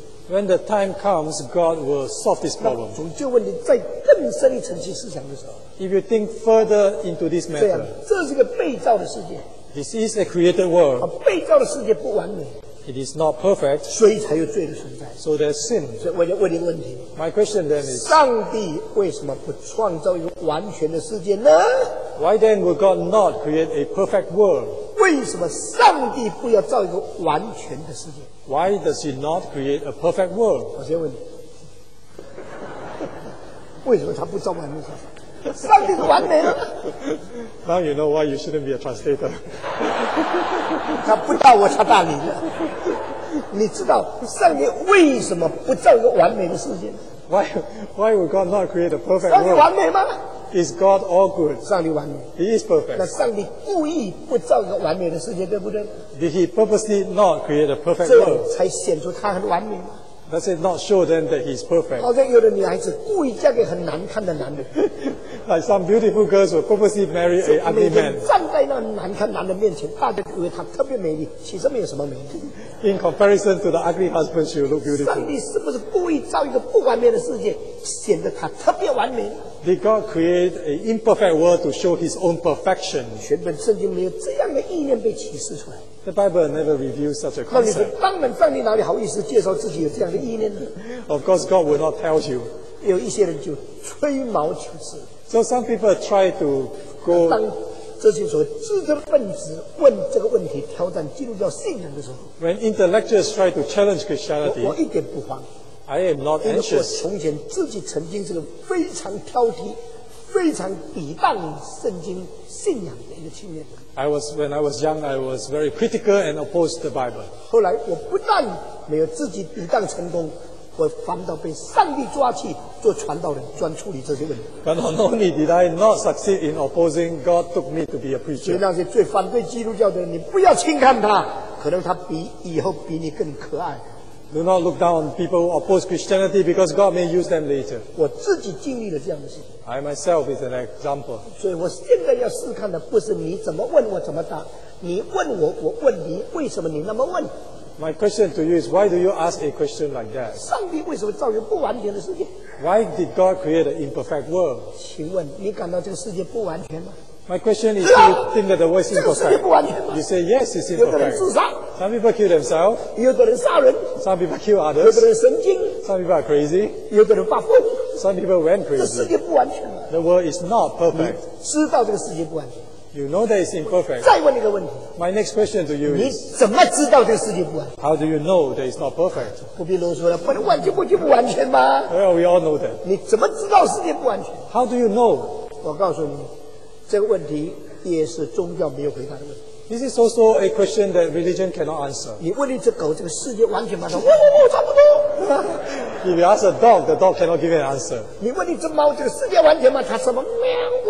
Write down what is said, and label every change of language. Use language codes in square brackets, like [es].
[en] when the time comes, God will solve this problem. [zh] 那总就问你在更深一层去思想的时候, [en] if you think further into this matter, [zh] 这样, [en] this is a created world. [zh] 被造的世界不完美, [en] it is not perfect, so there's sin. [zh] 所以我就问你问题, [en] my question then is, [zh] 上帝为什么不创造一个完全的世界呢? [en] Why then would God not create a perfect world? [zh] 为什么上帝不要造一个完全的世界? [en] Why does he not create a perfect world? [zh] 我先问你, 为什么他不造完全的世界? 上帝是完美的。 [en] Now you know why you shouldn't be a translator. [zh] 他不到我才大理的。你知道上帝为什么不造一个完美的世界？ [en] Why would God not create a perfect world? [zh] 上帝完美吗？ [en] Is God all good? [zh] 上帝完美。 [en] He is perfect. [zh] 那上帝故意不造一个完美的世界，对不对？ [en] Did he purposely not create a perfect world? [zh] 这样才显出他很完美。 [en] Does it not show them that he's perfect? [zh] 好像有的女孩子故意嫁给很难看的男人。 [en] Like some beautiful girls will purposely marry an ugly man. [zh] 站在那难看男人面前，大家以为她特别美丽，其实没有什么美丽。 [en] In comparison to the ugly husband, she will look beautiful. [zh] 上帝是不是故意造一个不完美的世界，显得她特别完美？ [en] Did God create an imperfect world to show His own perfection? [zh] 全本圣经没有这样的意念被启示出来。 [en] The Bible never reveals such a concept. [zh] 当然，上帝哪里好意思介绍自己有这样的意念呢？ [en] Of course, God will not tell you. [zh] 有一些人就吹毛求疵。 [en] So some people try to go. [zh] 当这些所谓知识分子问这个问题，挑战基督教信仰的时候 [en] ，When intellectuals try to challenge Christianity, [zh] 我一点不慌。 [en] I am not anxious. [zh] 因为我从前自己曾经是个非常挑剔、非常抵挡圣经信仰的一个青年。 [en] When I was young, I was very critical and opposed the Bible. [zh] 后来我不但没有自己抵挡成功。我反倒被上帝抓去做传道人，专处理这些问题。 [en] But not only did I not succeed in opposing, God took me to be a preacher. [zh] 所以那些最反对基督教的人，你不要轻看他，可能他比以后比你更可爱。 [en] Do not look down on people who oppose Christianity, because God may use them later. [zh] 我自己经历了这样的事情。 [en] I myself is an example. [zh] 所以我现在要试看的不是你怎么问我怎么答，你问我，我问你，为什么你那么问？ [en] My question to you is, why do you ask a question like that? [zh] 上帝为什么造一个不完全的世界？ [en] Why did God create an imperfect world? [zh] 请问你感到这个世界不完全吗？ [en] My question is, do you think that the world is imperfect? [zh] 这个世界不完全吗？ [en] You say, yes, it's imperfect. [zh] 有的人自杀。 [en] Some people kill themselves. [zh] 有的人杀人。 [en] Some people kill others. [zh] 有的人神经。 [en] Some people are crazy. [zh] 有的人发疯。 [en] Some people went crazy. [zh] 这世界不完全吗？ [en] The world is not perfect. [zh] 你知道这个世界不完全。 [en] You know that it's imperfect. [zh] 再问一个问题。 [en] My next question to you is, [zh] 你怎么知道这个世界不完全？ [en] How do you know that it's not perfect? [zh] 不必啰嗦了，本来完全不就不完全吗？ [en] Well, we all know that. [zh] 你怎么知道世界不完全？ [en] How do you know? [zh] 我告诉你，这个问题也是宗教没有回答的问题。 [en] This is also a question that religion cannot answer. [zh] 你问一只狗，这个世界完全吗？它呜，差不多。 [en] If you ask a dog, the dog cannot give an answer. [zh] 你问一只猫，这个世界完全吗？它什么喵？